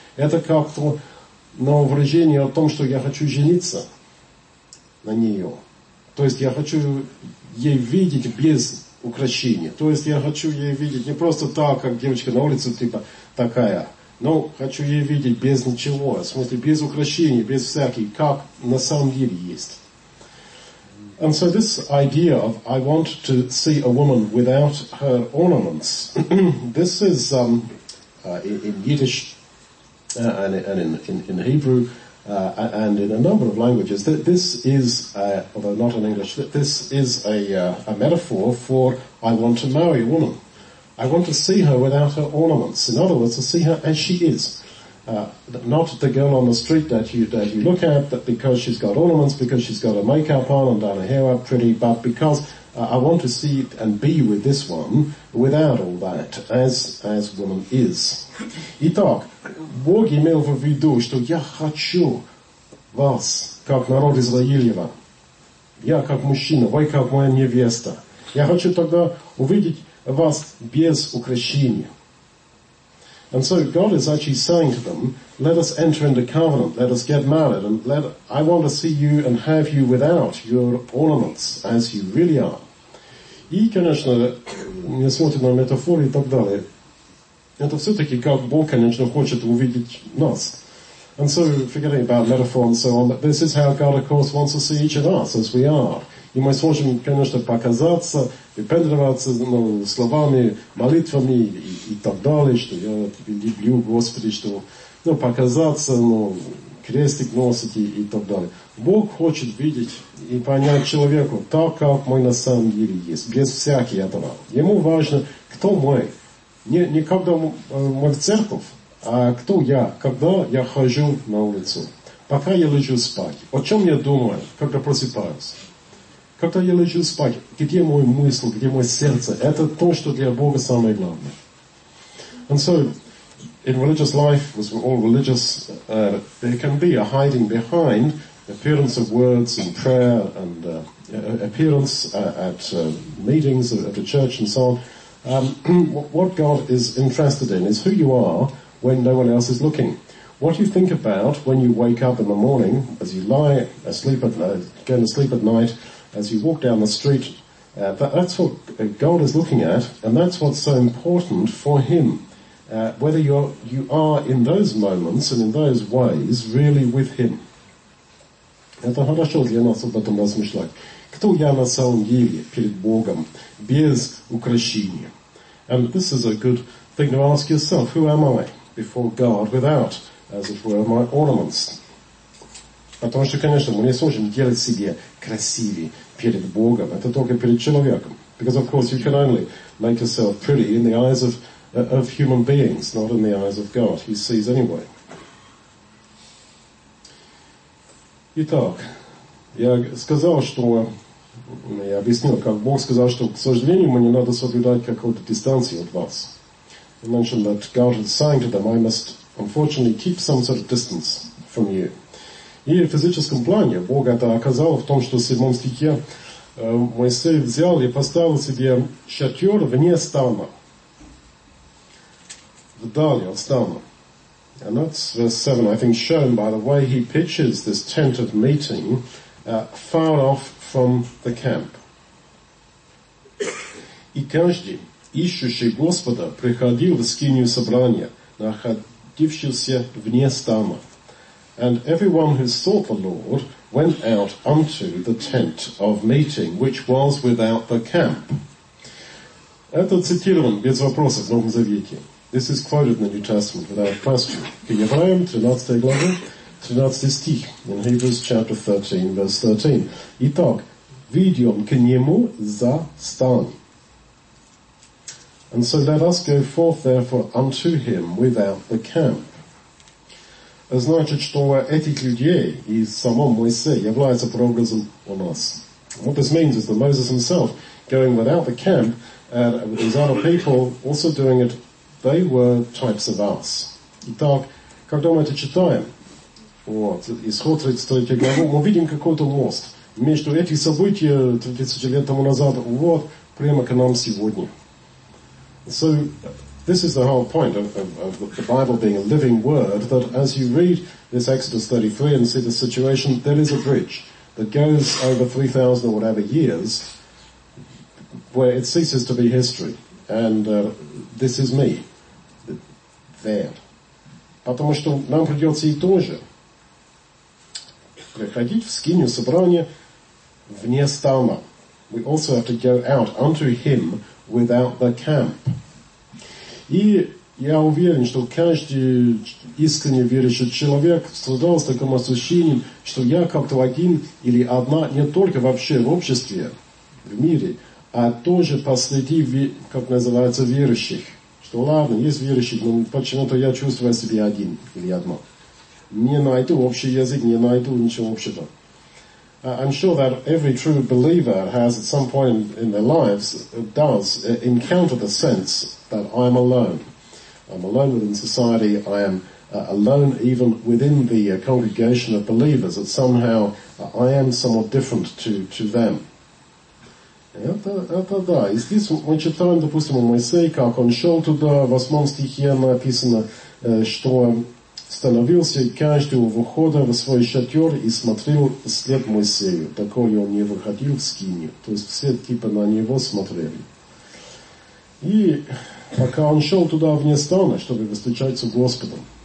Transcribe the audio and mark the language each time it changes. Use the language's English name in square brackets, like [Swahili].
[Russian] Это как-то выражение о том, что я хочу жениться на нее. То есть я хочу ей видеть без Украине. То есть я хочу ее видеть не просто так, как девочка на улице, типа такая. Но хочу ее видеть без ничего. В смысле, без украшений, без всяких, как на самом деле есть. [English] And so this idea of I want to see a woman without her ornaments, this is in Yiddish and in Hebrew and in a number of languages, that this is, although not in English, that this is a metaphor for I want to marry a woman. I want to see her without her ornaments. In other words, to see her as she is. Not the girl on the street that you look at, that because she's got ornaments, because she's got her makeup on and done her hair up pretty, but because I want to see and be with this one without all that, as woman is. [Russian] Итак, Бог имел в виду, что я хочу вас, как народ Израилева. Я как мужчина, вы как моя невеста. Я хочу тогда увидеть вас без украшения. [English] And so God is actually saying to them, let us enter into covenant, let us get married, and I want to see you and have you without your ornaments, as you really are. [Russian] И, конечно, не смотрим на метафоры и так далее. Это все-таки как Бог, конечно, хочет увидеть нас. [English] And so, forgetting about metaphor and so on, but this is how God, of course, wants to see each of us, as we are. [Russian] И мы сможем, конечно, показаться, выпендриваться, ну, словами, молитвами и так далее, что я тебя люблю, Господи, что, ну, показаться, ну, крестик носить и так далее. Бог хочет видеть и понять человеку так, как мы на самом деле есть, без всяких этого. Ему важно, кто мы. Не когда мы в церковь, а кто я, когда я хожу на улицу. Пока я лежу спать. О чем я думаю, когда просыпаюсь? Когда я лежу спать, где мой мысль, где мое сердце? Это то, что для Бога самое главное. [English] And so, in religious life, as we're all religious, there can be a hiding behind appearance of words and prayer and appearance at meetings, at a church and so on. What God is interested in is who you are when no one else is looking. What you think about when you wake up in the morning, as you lie asleep going to sleep at night, as you walk down the street, that's what God is looking at, and that's what's so important for Him. Whether you are in those moments and in those ways really with Him. [Russian] Это хорошо для нас об этом размышлять. Кто я на самом деле перед Богом без украшения? [English] And this is a good thing to ask yourself: who am I before God without, as it were, my ornaments? [Russian] Потому что, конечно, мы не сможем делать себе красивее перед Богом. Это только перед человеком. [English] Because, of course, you can only make yourself pretty in the eyes of human beings, not in the eyes of God. He sees anyway. [Russian] Итак, я сказал, что... Я объяснил, как Бог сказал, что, к сожалению, мне надо соблюдать какую-то дистанцию от вас. [English] I mentioned that God is saying to them, I must, unfortunately, keep some sort of distance from you. [Russian] И в физическом плане Бог это оказал в том, что в 7 стихе Моисей взял и поставил себе шатер вне стана. Вдали от стана. [English] And that's verse 7, I think, shown by the way he pitches this tent of meeting far off from the camp. [Russian] И каждый, ищущий Господа, приходил в скинию собрания, находившийся вне стана. [English] And everyone who sought the Lord went out unto the tent of meeting, which was without the camp. [Russian] Это цитирован без вопросов в Новом Завете. [English] This is quoted in the New Testament without question. [Russian] К Евреям, 13 глава, 13 стих. [English] In Hebrews chapter 13, verse 13. [Russian] Итак, видим к нему за стан. [English] And so let us go forth therefore unto him without the camp. [Russian] Значит, что этих людей и само Моисей являются прообразом у нас. [English] What this means is that Moses himself, going without the camp, with these other people also doing it, they were types of us. [Russian] Итак, когда мы это читаем, исход 33 главы, мы видим какой-то мост между этими событиями 3000 лет тому назад, вот прямо к нам сегодня. [English] So, this is the whole point of the Bible being a living word, that as you read this Exodus 33 and see the situation, there is a bridge that goes over 3,000 or whatever years where it ceases to be history, and this is me, there. [Russian] Потому что нам придется и тоже приходить в скинию собрания вне стана. [English] We also have to go out unto him without the camp. [Russian] И я уверен, что каждый искренне верующий человек создал с таким ощущением, что я как-то один или одна не только вообще в обществе, в мире, а тоже посреди, как называется, верующих. Что ладно, есть верующие, но почему-то я чувствую себя один или одна. Не найду общий язык, не найду ничего общего. [English] I'm sure that every true believer has at some point in their lives does encounter the sense that I'm alone. I'm alone within society, I am alone even within the congregation of believers, that somehow I am somewhat different to them. [Russian] Это да. И здесь мы читаем, допустим, у Моисея, как он шел туда, в 8 стихе написано, что становился каждый у выхода в свой шатер и смотрел вслед Моисею, такой он не выходил в скинию. То есть все типа на него смотрели. И пока он шел туда вне стана, чтобы встречаться с Господом.